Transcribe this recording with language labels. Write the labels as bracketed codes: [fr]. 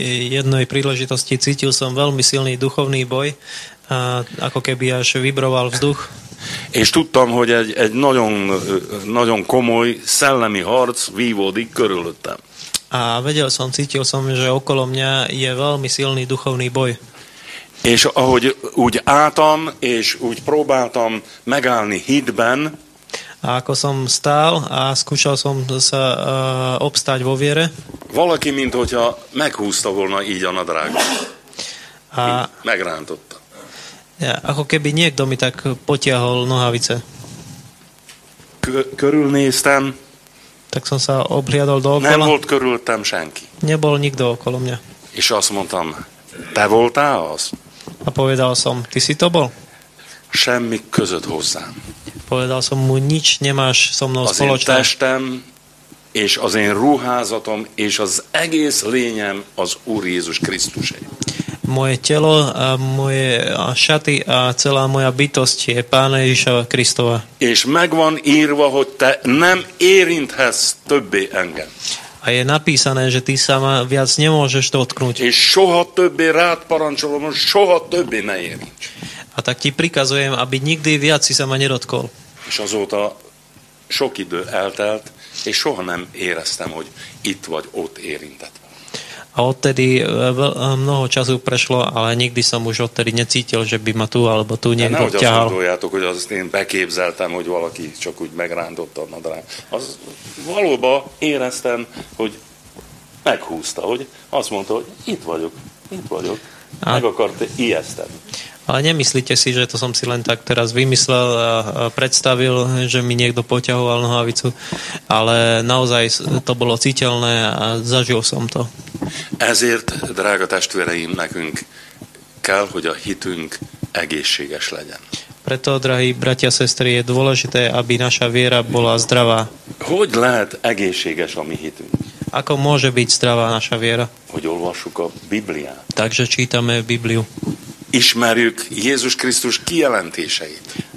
[sk] Jednej príležitosti cítil som veľmi silný duchovný boj, ako keby až vibroval vzduch. [hu] És tudtam, hogy egy nagyon, nagyon komoly szellemi harc vívódik körülöttem. [sk] A vedel som, cítil som, že okolo mňa je veľmi silný duchovný boj. [hu] És ahogy úgy álltam, és úgy próbáltam megállni hitben, [sk] a ako som stál a skúšal som sa obstáť vo viere, [hu] valaki, mint hogyha meghúzta volna így a nadrágot. Megrántotta. [sk] Ja, ako keby niekto mi tak potiahol nohavice. [hu] Körülnéztem. [sk] Tak som sa obhliadol do okola. [hu] Nem volt körültem senki. [sk] Nebol nikto okolo mňa. [hu] És azt mondtam, te voltál az? [sk] A povedal som, ty si to bol? [hu] semmi között hozzám. [sk] Povedal som mu, nič nemáš so mnou spoločné. [hu] Az én testem és az én ruházatom és az egész lényem az Úr Jézus Krisztusé. [sk] Moje telo, moje šaty a celá moja bytosť je Pána Ježiša Kristova. [hu] És megvan írva, hogy te nem érinthetsz többé engem. [sk] A je napísané, že ty sa ma viac nemôžeš dotknúť. [hu] És soha többé rád parancsolom, soha többé ne érinc. [sk] A tak ti prikazujem, aby nikdy viac si sa ma nedotkol. [hu] És azóta sok idő eltelt, és soha nem éreztem, hogy itt vagy ott érintett. [sk] A odtedy mnoho času prešlo, ale nikdy som už odtedy necítil, že by ma tu alebo tu niekto ťahal. [hu] Nehogy azt gondoljátok, hogy azt én beképzeltem, hogy valaki csak úgy megrándotta a nadrám. Az valóban éreztem, hogy meghúzta, hogy azt mondta, hogy itt vagyok, meg akart ijesztem. [sk] Ale nemyslíte si, že to som si len tak teraz vymyslel a predstavil, že mi niekto poťahoval nohavicu, ale naozaj to bolo citeľné a zažil som to. [hu] Ezért, drága testvéreim, nekünk kell, hogy a hitünk egészséges legyen. [sk] Preto, drahí bratia, sestry, je dôležité, aby naša viera bola zdravá. [hu] Hogy lehet egészséges a mi hitünk? [sk] Ako môže byť zdravá naša viera? [hu] Hogy olvasuk a Bibliát. [sk] Takže čítame Bibliu. [hu] Ismerjük Jézus Krisztus kijelentéseit.